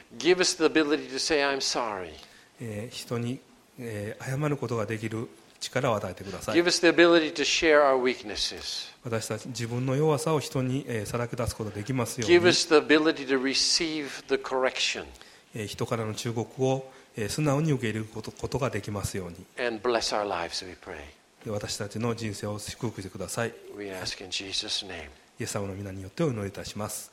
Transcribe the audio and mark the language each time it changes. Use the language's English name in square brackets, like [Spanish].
[English] Give us the ability to say I'm sorry. [Japanese] 人に、謝ることができる力を与えてください。 [English] Give us the ability to share our weaknesses. [Japanese] 私たち自分の弱さを人に、さらけ出すことができますように。 [English] Give us the ability to receive the correction. [Japanese] 人からの忠告を、素直に受け入れることができますように。 [English] And bless our lives, we pray. [Japanese] 私たちの人生を祝福してください。 [English] We ask in Jesus' name. [Japanese] イエス様の皆によってお祈りいたします。